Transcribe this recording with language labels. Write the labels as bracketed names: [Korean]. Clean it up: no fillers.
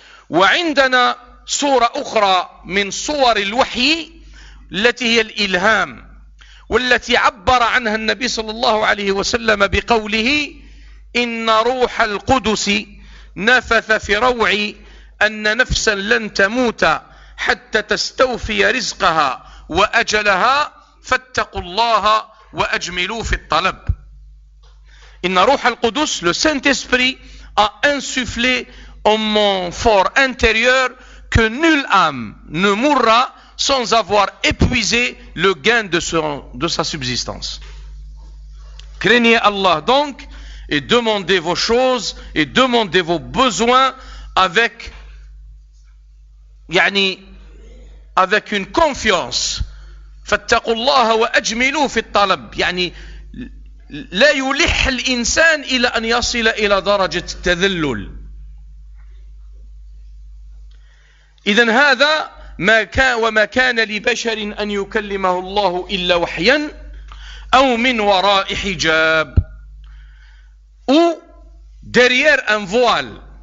[Arabic] وعندنا صورة أخرى من صور الوحي التي هي الإلهام، والتي عبر عنها النبي صلى الله عليه وسلم بقوله: إن روح القدس نفث في روعي أن نفسا لن تموت حتى تستوفي رزقها وأجلها، فاتقوا الله وأجملوا في الطلب. إن روح القدس [French] le Saint-Esprit a insufflé en mon fort intérieur que nulle âme ne mourra sans avoir épuisé le gain de sa subsistance. Craignez Allah donc et demandez vos choses et demandez vos besoins avec, يعني, avec une confiance. [Arabic] فَاتَّقُوا اللَّهَ وَأَجْمِلُوا فِي الطَّلَبِ، يعني لا يلح الإنسان إلى أن يصل إلى درجة التذلل. إذن هذا ما كان وما كان لبشر أن يكلمه الله إلا وحيا أو من وراء حجاب أو [French] derrière un voile.